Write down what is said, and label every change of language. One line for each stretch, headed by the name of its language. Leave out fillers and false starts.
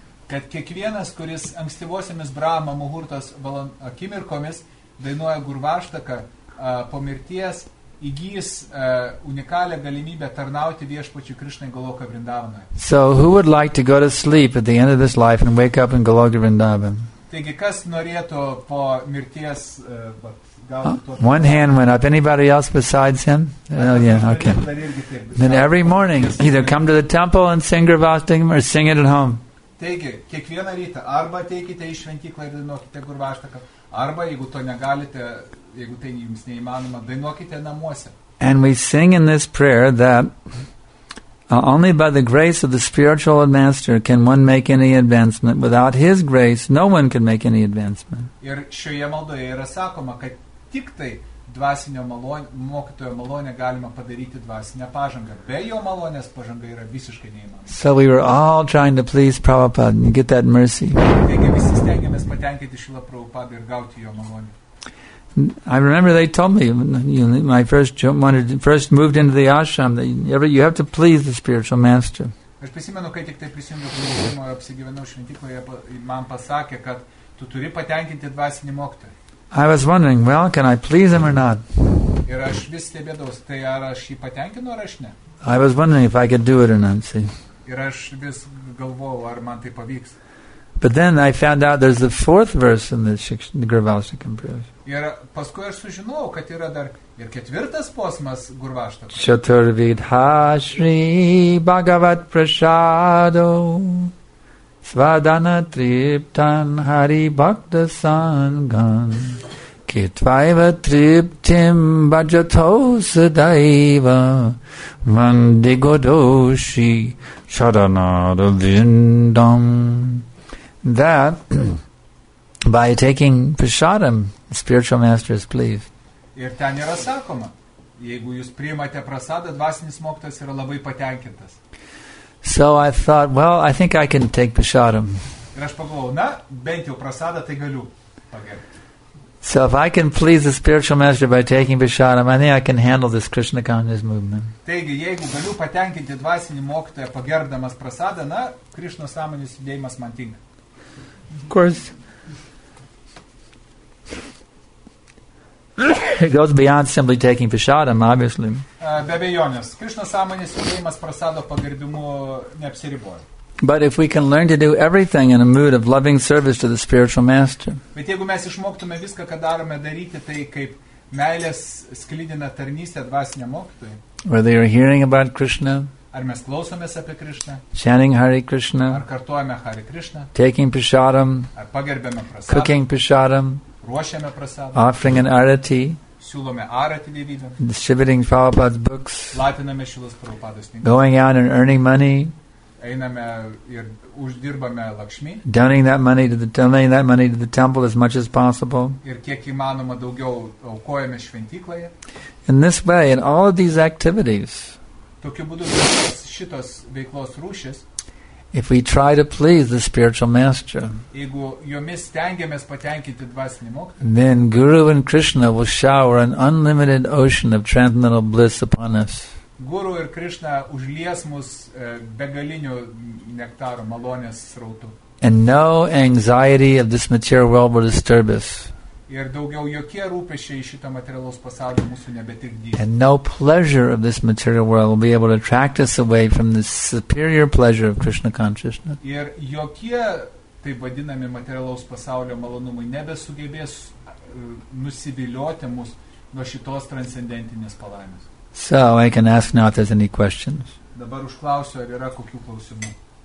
Lithuanian: Kad kiekvienas, kuris ankstyvosiamis Brahma Muhurtos akimirkomis dainuoja Gravastaką po mirties, įgys unikalią galimybę tarnauti viešpačiu Krishnai Goloka Vrindavanoje.
English: So who would like to go to sleep at the end of this life and wake up in Goloka Vrindavan?
Lithuanian: Taigi kas norėtų po mirties
English: One hand went up. Anybody else besides him? Oh yeah, okay. Then every morning either come to the temple and sing Gravastakam or sing it at home.
Lithuanian: Taigi kiekvieną rytą arba ateikite į šventyklą ir dainuokite Gravastakam arba jeigu to negalite Jeigu tai jums neįmanoma, dainuokite namuose.
English: And we sing in this prayer that only by the grace of the spiritual master can one make any advancement. Without his grace, no one can make any advancement.
Lithuanian: Ir šioje maldoje yra sakoma, kad tik tai dvasinio mokytojo malonė galima padaryti dvasinę pažangą. Be jo malonės pažanga yra visiškai neįmanoma.
English: So we were all trying to please Prabhupada and get that mercy.
Lithuanian: Taigi visi stengiamės patenkinti Šrilą Prabhupadą ir gauti jo malonę.
English: I remember they told me my first moved into the ashram that you have to please the spiritual master.
Lithuanian: Aš prisimenu, kai tik tai prisijungiau prie pirmojo apsigyvenau šventykloje, man pasakė, kad tu turi patenkinti dvasinį mokytoją.
English: I was wondering, well, can I please him or not?
Lithuanian: Ir aš vis stebėdavau, tai ar aš jį patenkinu ar aš ne?
English: I was wondering if I could do it or not, see.
Lithuanian: Ir aš vis galvojau, ar man tai pavyks.
English: But then I found out there's the fourth verse in the Gravastakam prayers.
Lithuanian: Ir paskui aš sužinau, kad yra dar ir ketvirtas posmas Gravastakam.
Sanskrit: Chaturvidha Shri Bhagavat Prasado Svadana Triptan Hari Bhakta Sangam Kitvaiva Triptim Bhajato Sadaiva Mandigodoshi Sharanada Vindam
English: That by taking prasadam, the spiritual master is pleased.
Lithuanian: Ir ten yra sakoma, jeigu jūs priimate prasadą, dvasinis mokytojas yra labai patenkintas.
English: So I thought, well, I think I can take prasadam.
Lithuanian: Ir aš pagalvojau, na, bent jau prasadą tai galiu pagerbti.
English: So if I can please the spiritual master by taking prasadam, I think I can handle this Krishna consciousness movement.
Lithuanian: Taigi, jeigu galiu patenkinti dvasinį mokytoją pagerbdamas prasadą, na, Krishna sąmonės judėjimas man tinka.
English: Of course, it goes beyond simply taking prasadam, obviously. But if we can learn to do everything in a mood of loving service to the spiritual master,
Lithuanian: bet jeigu mes išmoktume viską, ką darome, daryti tai kaip meilės sklidina tarnystė dvasiniam mokytojui,
English: where they are hearing about Krishna,
Lithuanian: ar mes klausomės apie Krishna,
English: chanting Hare Krishna,
Lithuanian: ar kartuojame Hare Krishna,
English: taking prasadam,
Lithuanian: ar pagerbiame prasadam,
English: cooking prasadam,
Lithuanian: ruošiame prasadam,
English: offering an arati,
Lithuanian: siūlome arati devynam,
English: distributing Prabhupada's books,
Lithuanian: platiname Šilas Prabhupadas knygas,
English: going out and earning money,
Lithuanian: einame ir uždirbame lakšmi,
English: donating that money to the temple as much as possible,
Lithuanian: ir kiek įmanoma daugiau aukojame šventykloje.
English: In this way, in all of these activities,
Lithuanian: tokiu būdu šitos veiklos rūšis,
English: if we try to please the spiritual master,
Lithuanian: jeigu jomis stengiamės patenkinti dvasinį mokytoją,
English: then Guru and Krishna will shower an unlimited ocean of transcendental bliss upon us.
Lithuanian: Guru ir Krishna užlies mus begaliniu nektaru, malonės srautu.
English: And no anxiety of this material world will disturb us.
Lithuanian: Ir daugiau jokie rūpešiai šito materialaus pasaulio mūsų nebetirdys.
English: And no pleasure of this material world will be able to attract us away from the superior pleasure of Krishna consciousness.
Lithuanian: Ir jokie taip vadinami materialaus pasaulio malonumai nebesugebės nusivilioti mus nuo šitos transcendentinės palaimės.
English: So I can ask now if there's any questions.
Lithuanian: Dabar užklausiu, ar yra kokių klausimų.